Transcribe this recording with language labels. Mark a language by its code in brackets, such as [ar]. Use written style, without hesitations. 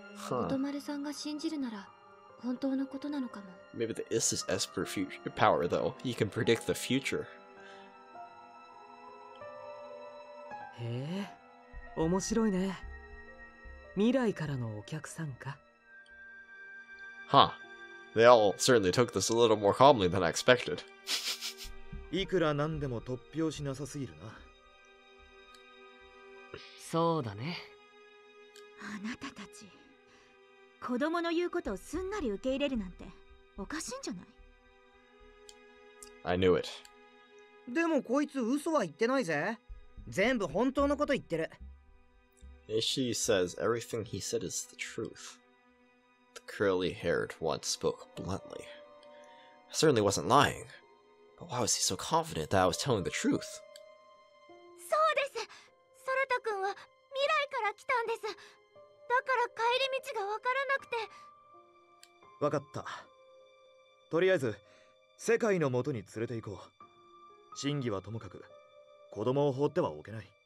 [ja] ホトマルさんが信じるなら。本当のことなのかも。 [en] Maybe this is Esper power though. He can predict the future. [ja] へえ、面白いね。未来からのお客さんか。 [en] Huh. They all certainly took this a little more calmly than I expected. [ja] いくらなんでも突拍子なさすぎるな。そうだね。あなたたち。子供の言うことをすんなり受け入れるなんておかしいんじゃない [en] ?I knew it. [ja] でもこいつ嘘は言ってないぜ。全部本当のこと言ってる。 [en] She says everything he said is the truth. The curly haired one spoke bluntly. I certainly wasn't lying. But why was he so confident that I was telling the truth? [ja] そうです。ソラタ君は未来から来たんです。だから帰り道が分からなくて。分かった。とりあえず世界の元に連れて行こう。真偽はともかく子供を放ってはおけない。